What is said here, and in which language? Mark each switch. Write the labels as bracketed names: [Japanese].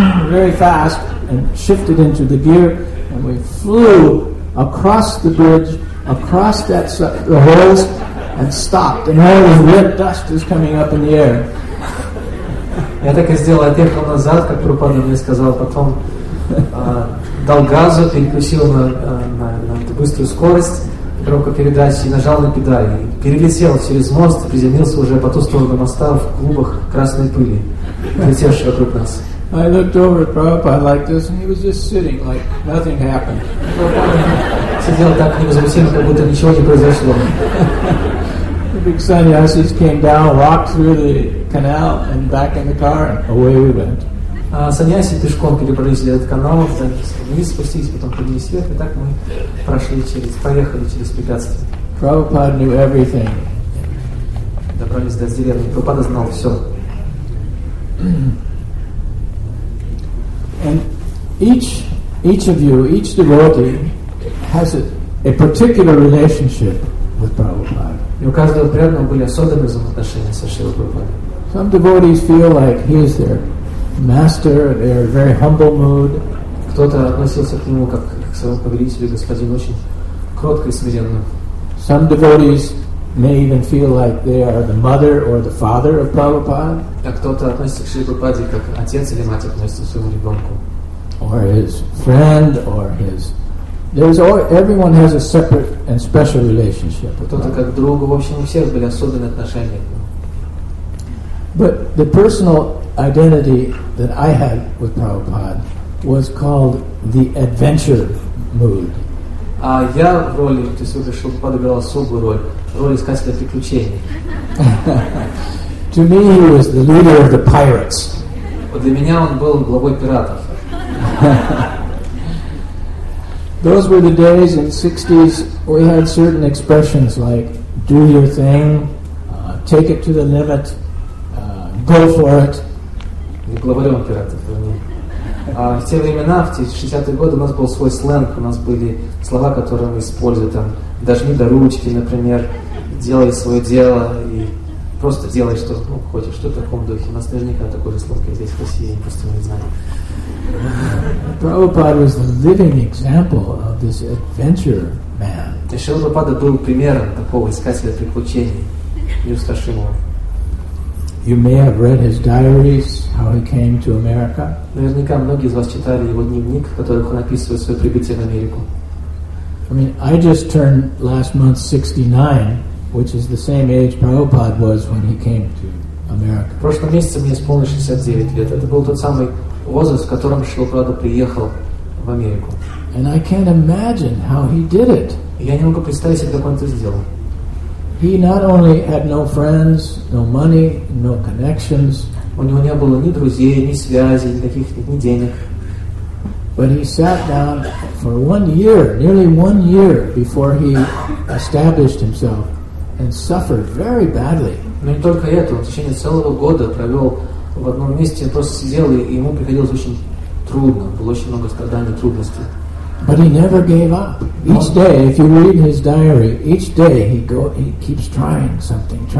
[English] Very fast, and shifted into the gear, and we flew across the bridge. Across that the holes and stopped, and all the red dust is coming up in the air. [Russian] Я так и сделал, отъехал назад, как Прабхупада мне сказал, потом дал газу, переключил на быструю скорость громко передачи и нажал на педаль. Перелетел через мост, приземлился уже по ту сторону моста в клубах красной пыли, летевшей вокруг нас. [English] I looked over at Prabhupada like this, and he was just sitting like nothing happened. [Russian] Сидел так невозмутимо, как будто ничего не произошло. [English] The big sannyasis came down, walked through the canal, and back in the car, and away we went. [Russian] саньяси пешком перебрались этот канал, спустились, потом поднялись вверх, и так мы прошли через, проехали через препятствия. [English] Prabhupada knew everything. [Russian] Добрались до деревни. Прабхупада знал все. [English] And each of you, each devotee, has a particular relationship with Prabhupada. [Russian] И у каждого преданного были особенные взаимоотношения со Шрилой Прабхупадой. [English] Some devotees feel like he is their master, they are in a very humble mood. [Russian] Кто-то относился к нему как к своему повелителю, господину, очень кротко и смиренно. [English] Some devotees may even feel like they are the mother or the father of Prabhupada. [Russian] А кто-то относится к Шриле Прабхупаде как отец или мать относится к своему ребенку. [English] Or his friend, or his... There's all, everyone has a separate and special relationship. [Russian] Кто-то как другу, в общем, у всех были особенные отношения. [English] But the personal identity that I had with Prabhupada was called the adventure mood. [Russian] А я в роли, то есть вот, чтобы подобрал особую роль, роль искателя приключений. [English] To me, he was the leader of the pirates. [Russian] Вот для меня он был главой пиратов. [English] Those were the days in the 60s. We had certain expressions like "do your thing," "take it to the limit," "go for it." [Russian] Не главарем пиратов. В те времена, в те 60-е годы, у нас был свой сленг, у нас были слова, которые мы использовали, там, «дожми до ручки», например, «делай свое дело» и просто делай, что ну, хочешь, что в таком духе. У нас наверняка такой же сленг, здесь в России, я просто не знаю. [English] Prabhupada was the living example of this adventure man. [Russian] Шрила Прабхупада был примером такого искателя приключений, неустрашимого. [English] You may have read his diaries, how he came to America. [Russian] Наверняка многие из вас читали его дневник, в котором он описывает свое прибытие в Америку. [English] I mean, I just turned last month 69, which is the same age Prabhupada was when he came to America. [Russian] В прошлом месяце мне исполнилось 69 лет. Это был тот самый возраст, в котором Шрила Прабхупада приехал в Америку. [English] And I can't imagine how he did it. [Russian] Я не могу представить себе, как он это сделал. [English] He not only had no friends, no money, no connections. [Russian] У него не было ни друзей, ни связей, никаких ни денег. [English] But he sat down for 1 year, nearly 1 year, before he established himself, and suffered very badly. [Russian] Но не только это, он в течение целого года провел в одном месте, просто сидел, и ему приходилось очень трудно, было очень много страданий, трудностей. [English] But he never gave up. Each day, if you read his diary, each day he keeps trying something.